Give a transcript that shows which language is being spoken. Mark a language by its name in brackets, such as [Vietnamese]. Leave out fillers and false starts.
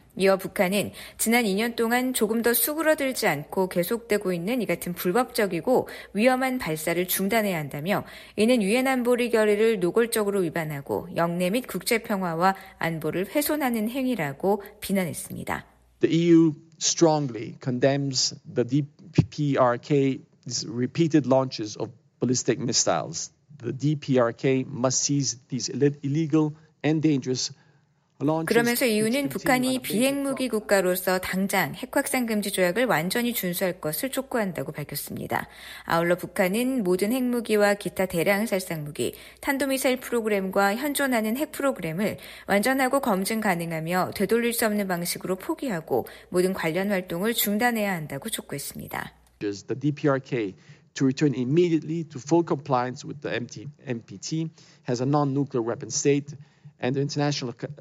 [Korean] 이어 북한은 지난 2년 동안 조금 더 수그러들지 않고 계속되고 있는 이 같은 불법적이고 위험한 발사를 중단해야 한다며 이는 유엔 안보리 결의를 노골적으로 위반하고 영내 및 국제 평화와 안보를 훼손하는 행위라고 비난했습니다. [English] The EU strongly condemns the DPRK's repeated launches of ballistic missiles. The DPRK must seize these illegal and dangerous [Korean] 그러면서 EU는 북한이 비핵무기 국가로서 당장 핵확산 금지 조약을 완전히 준수할 것을 촉구한다고 밝혔습니다. 아울러 북한은 모든 핵무기와 기타 대량 살상무기, 탄도미사일 프로그램과 현존하는 핵 프로그램을 완전하고 검증 가능하며 되돌릴 수 없는 방식으로 포기하고 모든 관련 활동을 중단해야 한다고 촉구했습니다. [English] The DPRK to return immediately to full compliance with the NPT has a non-nuclear weapon state and the international